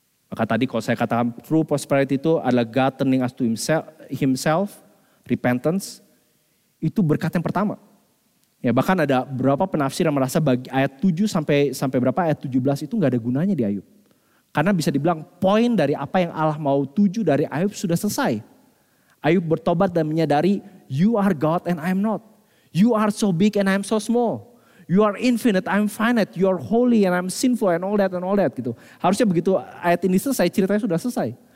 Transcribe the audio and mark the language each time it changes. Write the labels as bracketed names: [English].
[Indonesian] Maka tadi kalau saya katakan [English] true prosperity [Indonesian] itu adalah [English] God turning us to himself, repentance, [Indonesian] itu berkat yang pertama. Ya, bahkan ada beberapa penafsir yang merasa bagi ayat 7 sampai berapa, ayat 17 itu gak ada gunanya di Ayub. Karena bisa dibilang poin dari apa yang Allah mau tuju dari Ayub sudah selesai. Ayub bertobat dan menyadari, [English] you are God and I am not. You are so big and I am so small. You are infinite, I am finite. You are holy and I am sinful and all that gitu. [Indonesian] Harusnya begitu ayat ini selesai, ceritanya sudah selesai.